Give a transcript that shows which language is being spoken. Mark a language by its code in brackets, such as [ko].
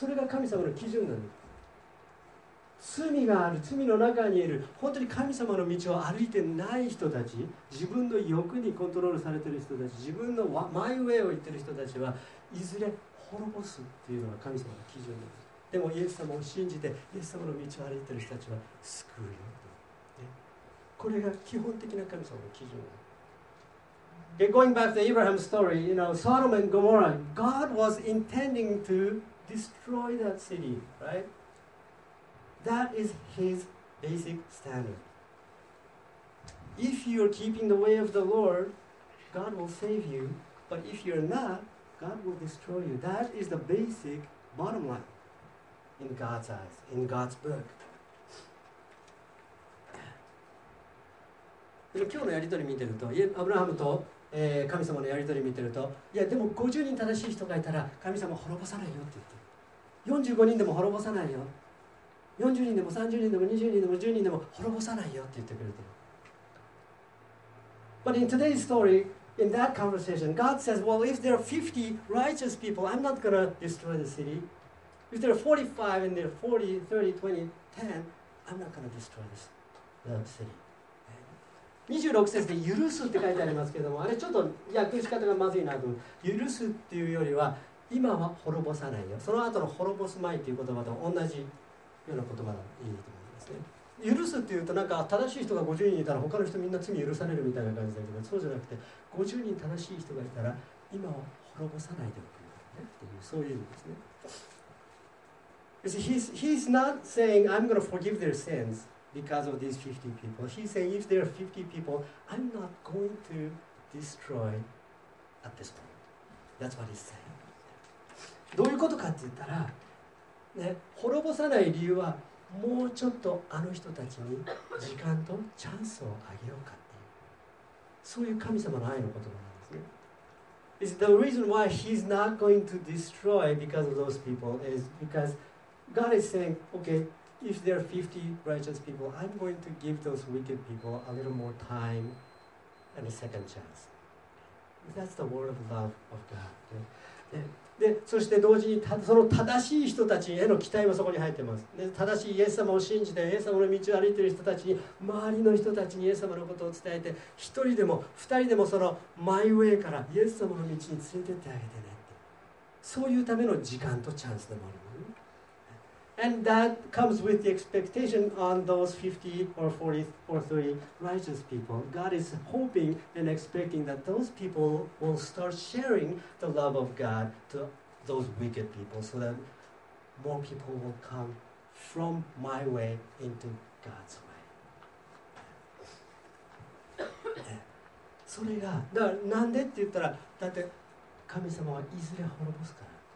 [ja] それが神様の基準なんです。罪がある、罪の中にいる、本当に神様の道を歩いてない人たち、自分の欲にコントロールされている人たち、自分のマイウェイを言っている人たちはいずれ滅ぼすっていうのが神様の基準なんです。でもイエス様を信じてイエス様の道を歩いている人たちは救うよと、ね、これが基本的な神様の基準なんです。 [en] Okay, going back to Abraham's story, you know, Sodom and Gomorrah, God was intending to destroy that city, right? That is his basic standard. If you are keeping the way of the Lord, God will save you. But if you're not, God will destroy you. That is the basic bottom line in God's eyes, in God's book. [ja] でも今日のやり取り見てると、アブラハムと神様のやり取り見てると、いやでも50人正しい人がいたら神様滅ぼさないよって言って、45人でも滅ぼさないよ、40人でも30人でも20人でも10人でも滅ぼさないよって言ってくれてる。 [en] But in today's story, in that conversation, God says, well, if there are 50 righteous people, I'm not going to destroy the city. If there are 45 and there are 40, 30, 20, 10, I'm not going to destroy this, the city. [ja] 26節で許すって書いてありますけども、あれちょっと訳し方がまずいなと。許すっていうよりは今は滅ぼさないよ、その後の滅ぼす前っていう言葉と同じような言葉がいいと思いますね。許すっていうとなんか正しい人が50人いたら他の人みんな罪許されるみたいな感じだけど、そうじゃなくて50人正しい人がいたら今は滅ぼさないでおくよっていう、そういう意味ですね。 [en] He's not saying I'm going to forgive their sinsBecause of these 50 people. He's saying if there are 50 people, I'm not going to destroy at this point. That's what he's saying. [ja] どういうことかって言ったら、ね、滅ぼさない理由はもうちょっとあの人たちに時間とチャンスをあげようかっていう、そういう神様の愛の言葉なんですね。 [en] It's the reason why he's not going to destroy because of those people is because God is saying, okay,If there are 50 righteous people, I'm going to give those wicked people a little more time and a second chance. That's the word of love of God. [ja] で、そして同時にその正しい人たちへの期待もそこに入っています。で、正しいイエス様を信じて、イエス様の道を歩いている人たちに、周りの人たちにイエス様のことを伝えて、一人でも二人でもそのマイウェイからイエス様の道に連れてってあげてねって。そういうための時間とチャンスでもある。 [en] And that comes with the expectation on those 50 or 40 or 30 righteous people. God is hoping and expecting that those people will start sharing the love of God to those wicked people so that more people will come from my way into God's way. [ja] それが、だからなんでって言ったら、だって神様はいずれ滅ぼすから。